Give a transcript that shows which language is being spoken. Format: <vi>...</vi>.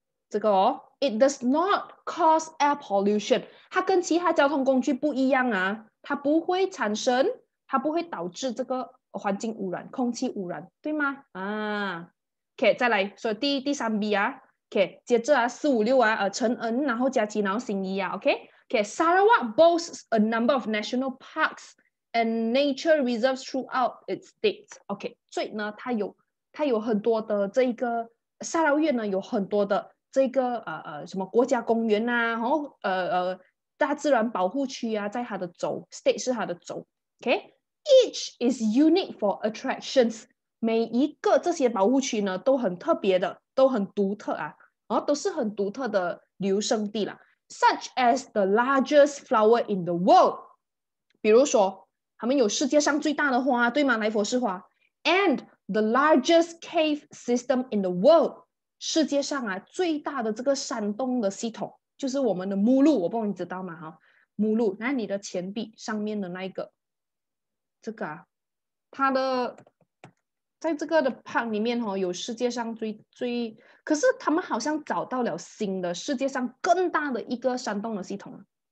<zh>这个哦 ，</zh> <en>It does not cause air pollution，</en> <zh>它跟其他交通工具不一样啊，它不会产生，它不会导致这个环境污染、空气污染，对吗？啊 ，OK， 再来，所以第三 B 啊。 OK， 接着啊，四五六啊，陈恩，然后佳琪，然后新一啊 ，OK，OK，、okay?</zh> <en>okay, Sarawak boasts a number of national parks and nature reserves throughout its state.</en> <zh>OK， 所以呢，它有很多的这个沙捞越呢，有很多的这个什么国家公园啊，然后大自然保护区啊，在它的州 state 是它的州。</zh> <en>Okay, each is unique for attractions.</en> <zh>每一个这些保护区呢，都很特别的，都很独特啊，哦，都是很独特的旅游胜地啦。</zh> <en>Such as the largest flower in the world.</en> <zh>比如说，他们有世界上最大的花，对吗？来佛士花。</zh> <en>And the largest cave system in the world.</en> <zh>世界上啊，最大的这个山洞的系统，就是我们的目录，我不知道你知道吗？目录，那你的钱币上面的那一个。这个啊，它的在这个的 park 里面、哦、有世界上最，可是他们好像找到了新的世界上更大的一个山洞的系统。</zh>